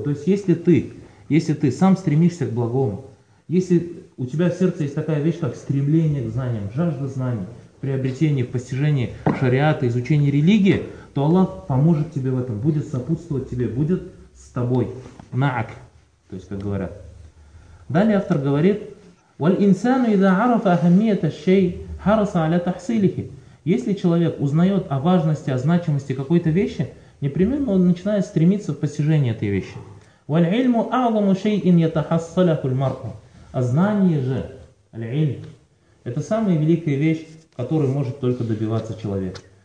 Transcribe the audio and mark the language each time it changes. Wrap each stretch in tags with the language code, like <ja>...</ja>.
<ru>То есть если ты сам стремишься к благому, если у тебя в сердце есть такая вещь, как стремление к знаниям, жажда знаний, приобретение, постижение шариата, изучение религии, то Аллах поможет тебе в этом, будет сопутствовать тебе, будет с тобой. На'ак. То есть, как говорят. Далее автор говорит,</ru> <ar>وَالْإِنْسَانُ إِذَا عَرَفَ أَهَمِّيَةَ الشَّيْءِ حَرَصَ عَلَى تَحْصِيلِهِ.</ar> <ru>Если человек узнает о важности, о значимости какой-то вещи, непременно он начинает стремиться в постижении этой вещи.</ru> <ar>وَالْعِلْمُ أَعْظَمُ شَيْءٍ يَتَحَصَّلَهُ الْمَرْءُ.</ar> <ru>А знание же, аль-ильм, это самая великая вещь, который может только добиваться человек.</ru>